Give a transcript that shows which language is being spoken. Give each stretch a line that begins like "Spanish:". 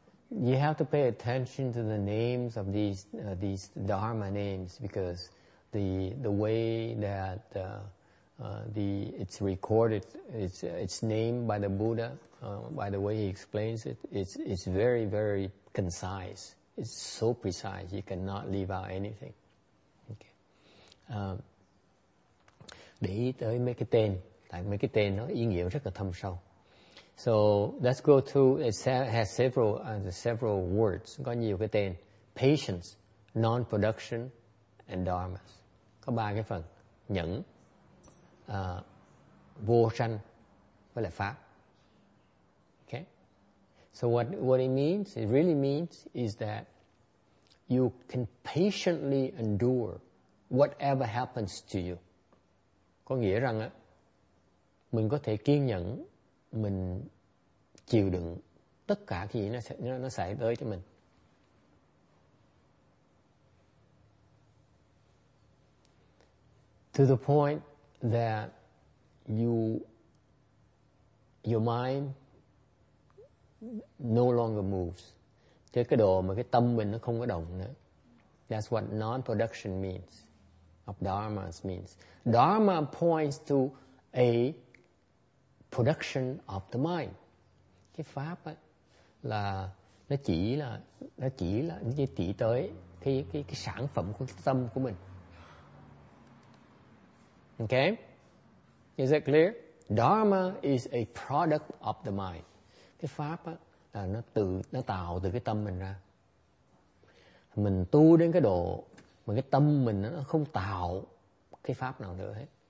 English: You have to pay attention to the names of these dharma names, because the way that it's recorded, it's named by the Buddha, by the way he explains it, it's very, very concise. It's so precise, you cannot leave out anything. Okay.
Vietnamese: Để ý tới mấy cái tên, tại mấy cái tên nó ý nghĩa rất là thâm sâu.
English: So let's go through, it has several words,
Vietnamese: có nhiều cái tên.
English: Patience, non-production, and dharmas.
Vietnamese: Có ba cái phần, nhẫn, vô sanh với lại pháp.
English: Okay. So what it means, it really means is that you can patiently endure whatever happens to you.
Vietnamese: Có nghĩa rằng á, mình có thể kiên nhẫn, mình chịu đựng tất cả cái gì nó xảy tới cho mình.
English: To the point that your mind no longer moves.
Vietnamese: Tới cái độ mà cái tâm mình nó không có động nữa.
English: That's what non-production means, of dharmas means. Dharma points to a production of the mind.
Vietnamese: Cái pháp á là nó chỉ là như chỉ tới cái sản phẩm của cái tâm của mình.
English: Okay? Is that clear? Dharma is a product of the mind.
Vietnamese: Cái pháp á là nó tạo từ cái tâm mình ra. Mình tu đến cái độ mà cái tâm mình nó không tạo cái pháp nào nữa hết.